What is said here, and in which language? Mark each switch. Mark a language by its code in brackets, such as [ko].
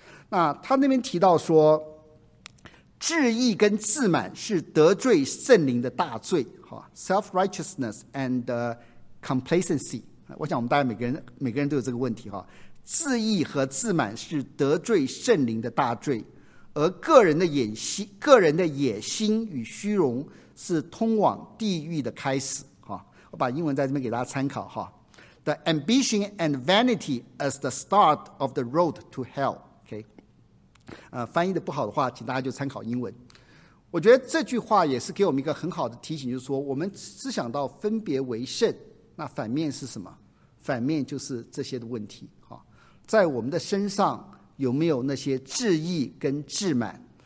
[zh] 那他那边提到说，自义跟自满是得罪圣灵的大罪， Self-righteousness and complacency。我想我们大概每个人都有这个问题，自义和自满是得罪圣灵的大罪，而个人的野心与虚荣是通往地狱的开始。我把英文在这边给大家参考。 [en] The ambition and vanity as the start of the road to hell、okay? [zh] 翻译的不好的话请大家就参考英文。我觉得这句话也是给我们一个很好的提醒，就是说我们只想到分别为圣，那反面是什么？反面就是这些的问题。在我们的身上有没有那些自义跟自满？